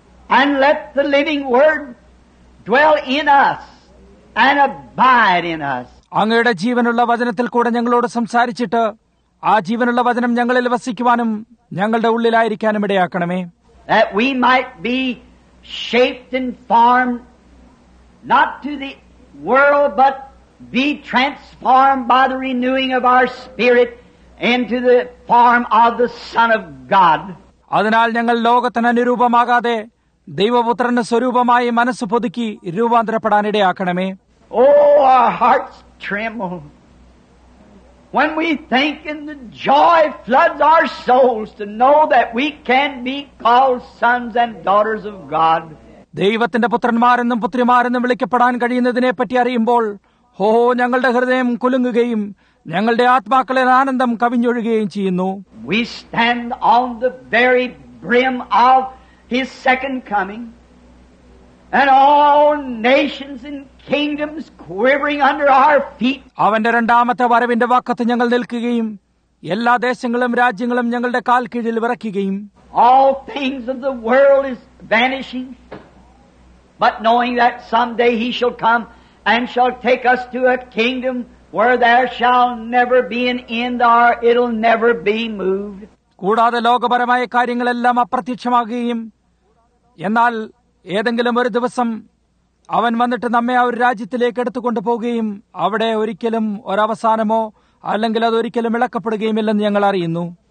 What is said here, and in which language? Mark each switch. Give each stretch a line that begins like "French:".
English: And let the living word dwell in us and abide in us.
Malayalam: അങ്ങയുടെ ജീവനുള്ള വചനത്തിൽ കൂടെ ഞങ്ങളോട് സംസാരിച്ചിട്ട് ആ ജീവനുള്ള വചനം ഞങ്ങളിൽ വസിക്കുവാനും ഞങ്ങളുടെ ഉള്ളിലായിരിക്കാനും ഇടയാക്കണമേ.
English: That we might be shaped and formed not to the world but be transformed by the renewing of our spirit into the form of the Son of God.
Malayalam: അതിനാൽ ഞങ്ങൾ ലോകത്തിന് അനുരൂപമാകാതെ ദൈവപുത്രന്റെ സ്വരൂപമായി മനസ്സ് പുതുക്കി രൂപാന്തരപ്പെടാനിടയാക്കണമേ.
English: O our hearts tremble when we think and the joy floods our souls to know that we can be called sons and daughters of God.
Malayalam: ദൈവത്തിന്റെ പുത്രന്മാരെന്നും പുത്രിമാരെന്നും വിളിക്കപ്പെടാൻ കഴിയുന്നതിനെ പറ്റി അറിയുമ്പോൾ ഹോ ഞങ്ങളുടെ ഹൃദയം കുലുങ്ങുകയും ഞങ്ങളുടെ ആത്മാക്കളിൽ ആനന്ദം കവിഞ്ഞൊഴുകുകയും ചെയ്യുന്നു.
English: We stand on the very brim of His second coming, and all nations and kingdoms quivering under our feet.
Malayalam: അവന്റെ രണ്ടാമത്തെ വരവിന്റെ വാക്കത്ത് ഞങ്ങൾ നിൽക്കുകയും എല്ലാ ദേശങ്ങളും രാജ്യങ്ങളും ഞങ്ങളുടെ കാൽക്കീഴിൽ വിറയ്ക്കുകയും.
English: All things of the world is vanishing, but knowing that someday He shall come and shall take us to a kingdom where there shall never be an end, or it'll never be moved.
Malayalam: കൂടാതെ ലോകപരമായ കാര്യങ്ങളെല്ലാം അപ്രത്യക്ഷമാകുകയും എന്നാൽ ഏതെങ്കിലും ഒരു ദിവസം അവൻ വന്നിട്ട് നമ്മെ ആ ഒരു രാജ്യത്തിലേക്ക് എടുത്തുകൊണ്ട് പോവുകയും അവിടെ ഒരിക്കലും ഒരവസാനമോ അല്ലെങ്കിൽ അത് ഒരിക്കലും ഇളക്കപ്പെടുകയുമില്ലെന്ന് ഞങ്ങൾ അറിയുന്നു.